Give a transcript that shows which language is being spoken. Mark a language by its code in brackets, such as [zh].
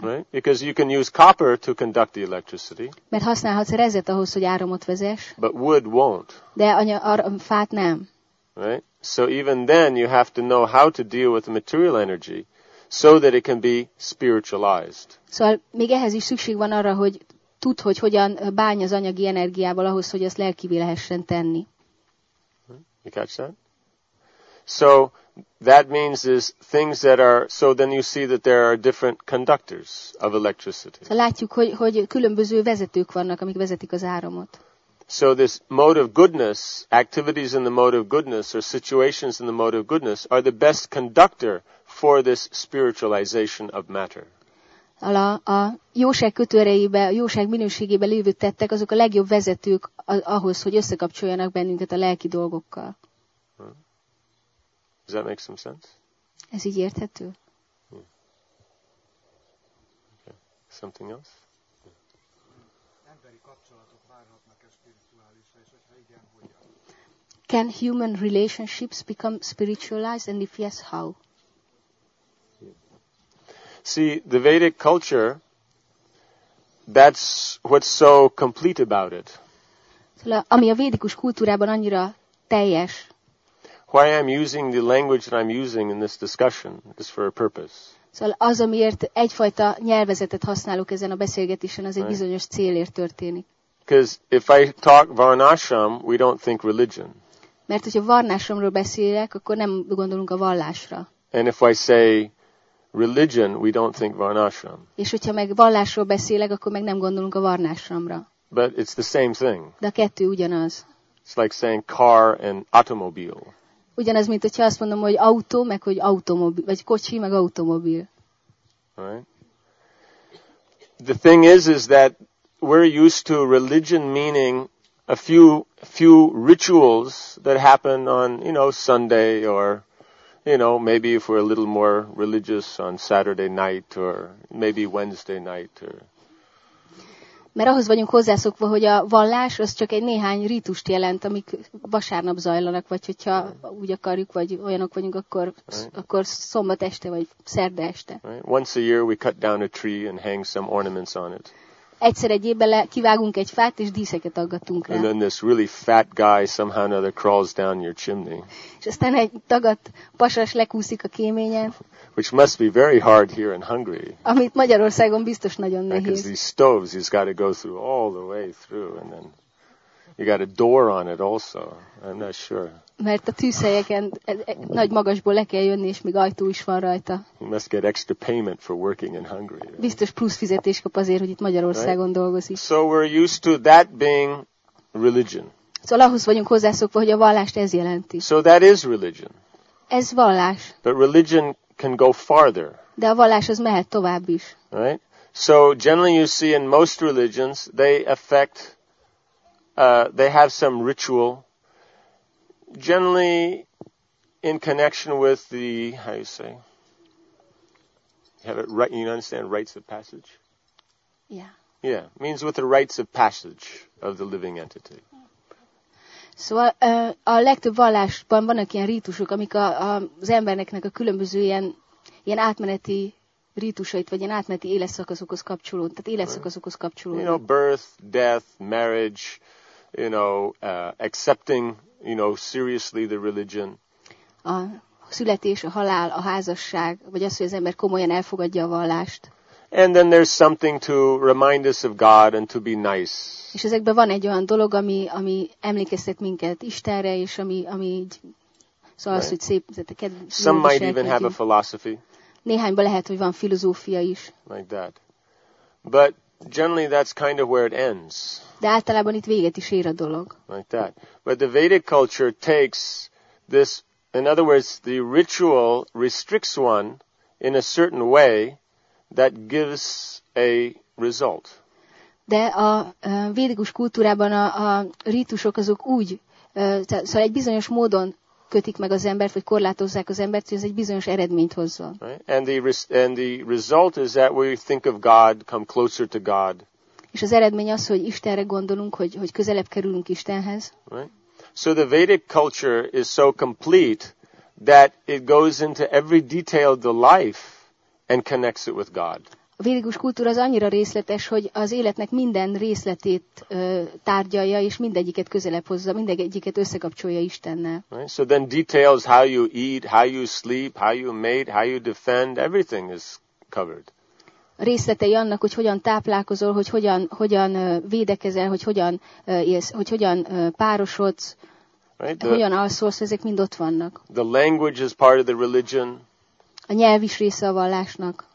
[en] Right? Because you can use copper to conduct the electricity. [hu] Mert használhatsz rezet ahhoz, hogy áramot vezess. [en] But wood won't. [hu] De fát nem. [en] Right? So even then you have to know how to deal with the material energy so that it can be spiritualized. [hu] Szóval még ehhez is szükség van arra, hogy tud, hogy hogyan bánj az anyagi energiával ahhoz, hogy azt lelkivé lehessen tenni. [en] You catch that? So that means is things that are so then you see that there are different conductors of electricity. [hu] So látjuk, hogy különböző vezetők vannak, amik vezetik az áramot. [en] So this mode of goodness, activities in the mode of goodness or situations in the mode of goodness are the best conductor for this spiritualization of matter. [hu] A jóság kötőerejébe, a jóság minőségébe lévő tettek, azok a legjobb vezetők ahhoz, hogy összekapcsoljanak bennünket a lelki dolgokkal. [en] Does that make some sense? [hu] Ez így érthető? [en] Okay. Something else? [hu] Emberi kapcsolatok várhatnak-e spirituálisra, és hogyha igen, hogyan? [en] Can human relationships become spiritualized, and if yes, how? See, the Vedic culture, that's what's so complete about it. [hu] Szóval, ami a védikus kultúrában annyira teljes. [en] Why I'm using the language that I'm using in this discussion is for a purpose. [hu] Szóval az, amiért egyfajta nyelvezetet használok ezen a beszélgetésen, az egy [en] right. [hu] bizonyos célért történik. [en] Because if I talk varnashram, we don't think religion. [hu] Mert hogyha varnashramról beszélek, akkor nem gondolunk a vallásra. [en] And if I say religion, we don't think varnashram. [hu] És hogyha meg vallásról beszélek, akkor meg nem gondolunk a varnashramra. [en] But it's the same thing. [hu] De a kettő ugyanaz. [en] It's like saying car and automobile. [hu] Ugyanez, mint hogyha azt mondom, hogy autó, meg hogy automobil, vagy kocsi, meg automobil. [en] The thing is that we're used to religion meaning a few rituals that happen on, you know, Sunday or, you know, maybe if we're a little more religious on Saturday night or maybe Wednesday night or. [hu] Mert ahhoz vagyunk hozzászokva, hogy a vallás az csak egy néhány rítust jelent, amik vasárnap zajlanak, vagy hogyha úgy akarjuk, vagy olyanok vagyunk, akkor szombat este, vagy szerda este. [en] Once a year we cut down a tree and hang some ornaments on it. [hu] Egyszer egy évben kivágunk egy fát, és díszeket aggatunk rá. [en] And then this really fat guy somehow or another crawls down your chimney. [hu] És aztán egy tagadt pasas lekúszik a kéményen. [en] Which must be very hard here in Hungary. [hu] Amit Magyarországon biztos nagyon nehéz. [en] Because these stoves, he's got to go through all the way through, and then you got a door on it also. I'm not sure. [hu] Mert a tűzhelyeken nagy magasból le kell jönni, és még ajtó is van rajta. [en] He must get extra payment for working in Hungary. Right? [hu] Biztos plusz fizetés kap azért, hogy itt Magyarországon [en] right? [hu] dolgozik. [en] So we're used to that being religion. [hu] Szóval ahhoz vagyunk hozzászokva, hogy a vallást ez jelenti. [en] So that is religion. [hu] Ez vallás. [en] But religion can go farther. [hu] De a vallás az mehet tovább is. [en] Right? So generally you see in most religions they affect they have some ritual generally in connection with the how you say have it right you understand rites of passage? Yeah. Yeah, means with the rites of passage of the living entity. [hu] Szóval a legtöbb vallásban vannak ilyen rítusok, amik az embereknek a különböző ilyen átmeneti rítusait, vagy ilyen átmeneti életszakaszokhoz kapcsolódnak. Tehát életszakaszokhoz kapcsolódnak. [en] You know, birth, death, marriage, you know, accepting, you know, seriously the religion. [hu] A születés, a halál, a házasság, vagy az, hogy az ember komolyan elfogadja a vallást. [en] And then there's something to remind us of God and to be nice. [hu] És ezekben van egy olyan dolog, ami emlékeztet minket Istenre, és ami így szóval [en] right. [hu] hogy szép, tehát kedves. [en] Some might even have a philosophy. [hu] Néhányban lehet, hogy van filozófia is. [en] Like that. But generally that's kind of where it ends. [hu] De általában itt véget is ér a dolog. [en] Like that. But the Vedic culture takes this, in other words, the ritual restricts one in a certain way that gives a result. [hu] De a védikus kultúrában a rítusok azok úgy, szóval egy bizonyos módon kötik meg az embert, vagy korlátozzák az embert, hogy ez egy bizonyos eredményt hozza. [en] Right? And the result is that we think of God, come closer to God. [hu] És az eredmény az, hogy Istenre gondolunk, hogy közelebb kerülünk Istenhez. [en] Right? So the Vedic culture is so complete that it goes into every detail of the life and connects it with God. [hu] A védikus kultúra az annyira részletes, hogy az életnek minden részletét tárgyalja, és mindegyiket közelebb hozza, mindegyiket összekapcsolja Istennel. [en] Right? So then details how you eat, how you sleep, how you mate, how you defend, everything is covered. [hu] Részletei annak, hogy hogyan táplálkozol, hogy hogyan védekezel, hogy hogyan élsz, hogy hogyan párosodsz, [en] right? [hu] Hogyan alszolsz, ezek mind ott vannak. [en] The language is part of the religion. [hu] A nyelv is része a vallásnak.